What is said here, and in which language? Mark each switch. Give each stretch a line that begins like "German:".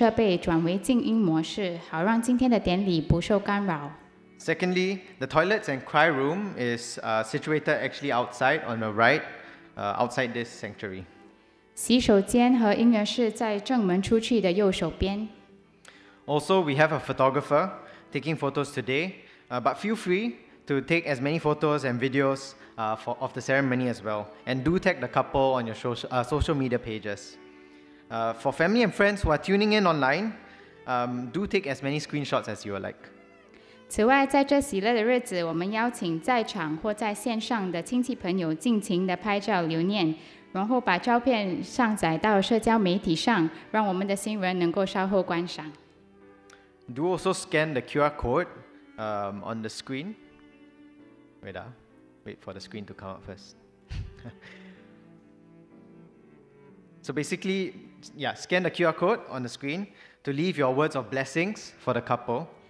Chinese: 请大家将你们的电子设备转为静音模式, 好让今天的典礼不受干扰.
English: Secondly, the toilets and cry room is situated actually outside on the right, outside this sanctuary.
Chinese: 洗手间和音乐室在正门出去的右手边.
English: Also, we have a photographer taking photos today, but feel free to take as many photos and videos of the ceremony as well, and do tag the couple on your social media pages. For family and friends who are tuning in online, do take as many screenshots as you would like.
Chinese: 此外,在这喜乐的日子, 我们邀请在场或在线上的亲戚朋友尽情地拍照留念, 然后把照片上载到社交媒体上, 让我们的新闻能够稍后观赏.
English: Do also scan the QR code on the screen. Wait for the screen to come up first. So basically, scan the QR code on the screen to leave your words of blessings for the couple.